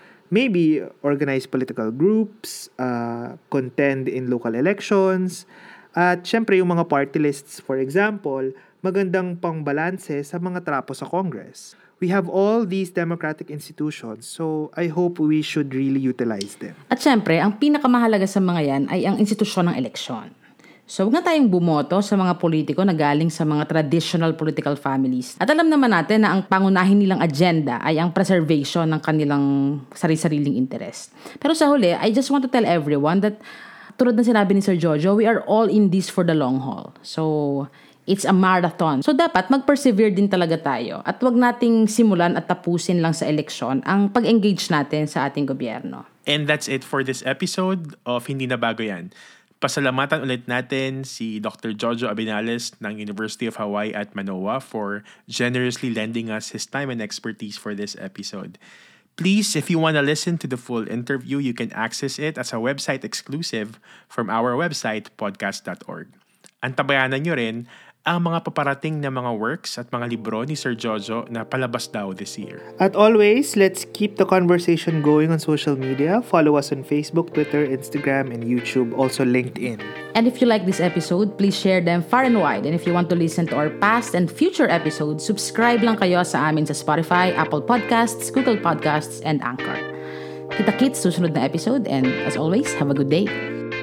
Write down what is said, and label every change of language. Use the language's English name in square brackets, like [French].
[English] Maybe organize political groups, contend in local elections, [Filipino] at syempre yung mga [English] party lists, for example, [Filipino] magandang pangbalanse sa mga trapo sa Congress. [English] We have all these democratic institutions, so I hope we should really utilize them. [Filipino] At syempre, ang pinakamahalaga sa mga yan ay ang institusyon ng eleksyon. So huwag na tayong bumoto sa mga politiko na galing sa mga traditional political families. At alam naman natin na ang pangunahin nilang agenda ay ang preservation ng kanilang sari-sariling interest. Pero sa huli, [English] I just want to tell everyone that [Filipino] tulad na sinabi ni Sir Jojo, [English] we are all in this for the long haul. So it's a marathon. [Filipino] So dapat mag-persevere din talaga tayo. At huwag nating simulan at tapusin lang sa eleksyon ang pag-engage natin sa ating gobyerno. [English] And that's it for this episode of Hindi na Bago Yan. [Filipino] Pasalamatan ulit natin si Dr. [English] Jojo Abinales ng University of Hawaii at Manoa for generously lending us his time and expertise for this episode. Please, if you want to listen to the full interview, you can access it as a website exclusive from our website, podcast.org. [Filipino] Antabayanan nyo rin ang mga paparating na mga works at mga libro ni Sir Jojo na palabas daw this year. [English] At always, let's keep the conversation going on social media. Follow us on Facebook, Twitter, Instagram, and YouTube, also LinkedIn. And if you like this episode, please share them far and wide. And if you want to listen to our past and future episodes, subscribe [Filipino] lang kayo sa amin [English] sa Spotify, Apple Podcasts, Google Podcasts, and Anchor. [Filipino] Kita-kits susunod na episode, [English] and as always, have a good day.